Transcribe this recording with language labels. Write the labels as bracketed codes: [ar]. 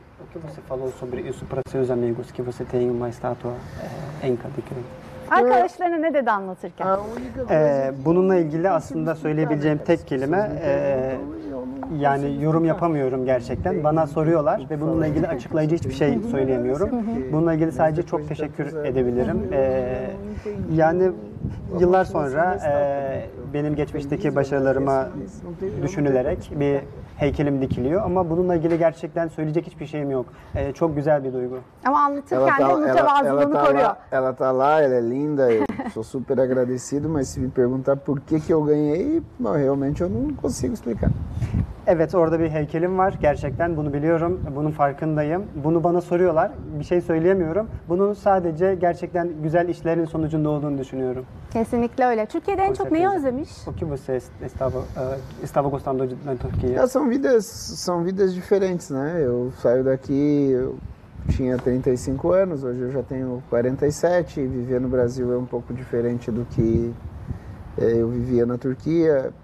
[pt] O que você falou sobre isso para seus amigos que você tem uma estátua em Kadıköy? [tr] Arkadaşlarına ne dedi anlatırken? Bununla ilgili aslında söyleyebileceğim tek kelime, yani yorum yapamıyorum gerçekten. Bana soruyorlar ve bununla ilgili açıklayıcı hiçbir şey söyleyemiyorum. Bununla ilgili sadece çok teşekkür edebilirim. Yani yıllar sonra benim geçmişteki başarılarıma düşünülerek bir heykelim dikiliyor ama bununla ilgili gerçekten söyleyecek hiçbir şeyim yok. Çok güzel bir duygu. Ama anlatırken [pt] ela tá, [tr] de mütevazılığını koruyor. [pt] Ela tá lá, ela é linda, sou super agradecido, mas se me perguntar por que eu ganhei, realmente eu não consigo explicar. [tr] Evet, orada bir heykelim var. Gerçekten bunu biliyorum, bunun farkındayım. Bunu bana soruyorlar, bir şey söyleyemiyorum. Bunun sadece gerçekten güzel işlerin sonucunda olduğunu düşünüyorum. Kesinlikle öyle. Türkiye'de en çok neyi özlemiş? [pt] O que você estava gostando da Turquia? São vidas diferentes, né? Eu saio daqui, tinha 35 anos, hoje eu já tenho 47. Viver no Brasil é um pouco diferente do que eu vivia na Turquia.